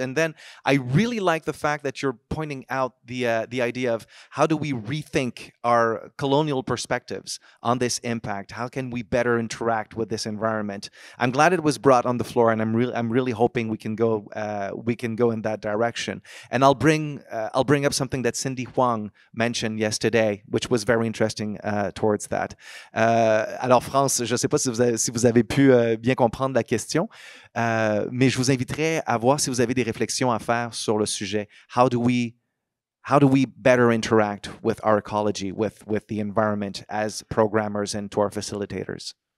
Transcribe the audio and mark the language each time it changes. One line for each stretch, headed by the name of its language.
English: And then I really like the fact that you're pointing out the idea of how do we rethink our colonial perspectives on this impact? How can we better interact with this environment? I'm glad it was brought on the floor, and I'm really hoping we can go in that direction. And I'll bring up something that Cindy Huang mentioned yesterday, which was very interesting towards that.
French: Alors France, je ne sais pas si vous avez pu bien comprendre la question, mais je vous inviterai à voir si vous avez des réflexions à faire sur le sujet.
English: How do we better interact with our ecology, with the environment as programmers and tour facilitators?